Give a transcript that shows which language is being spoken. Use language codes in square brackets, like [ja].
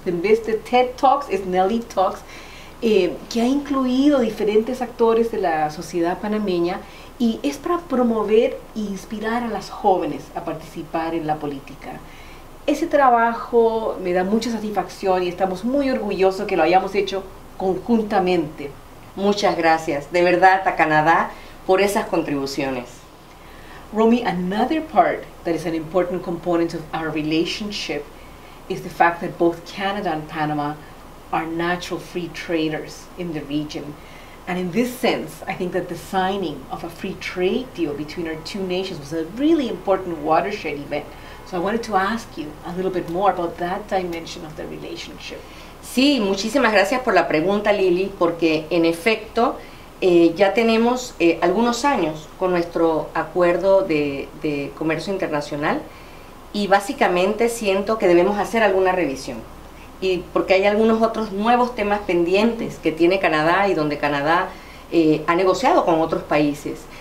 [es] En vez de TED Talks, es Nelly Talks, que ha incluido diferentes actores de la sociedad panameña, y es para promover e inspirar a las jóvenes a participar en la política. Ese trabajo me da mucha satisfacción y estamos muy orgullosos que lo hayamos hecho conjuntamente. Muchas gracias, de verdad, a Canadá por esas contribuciones. [en] Romy, another part that is an important component of our relationship is the fact that both Canada and Panama are natural free traders in the region. And in this sense, I think that the signing of a free trade deal between our two nations was a really important watershed event. So I wanted to ask you a little bit more about that dimension of the relationship. [es] Sí, muchísimas gracias por la pregunta, Lily, porque en efecto ya tenemos algunos años con nuestro acuerdo de comercio internacional, y básicamente siento que debemos hacer alguna revisión, y porque hay algunos otros nuevos temas pendientes que tiene Canadá y donde Canadá ha negociado con otros países.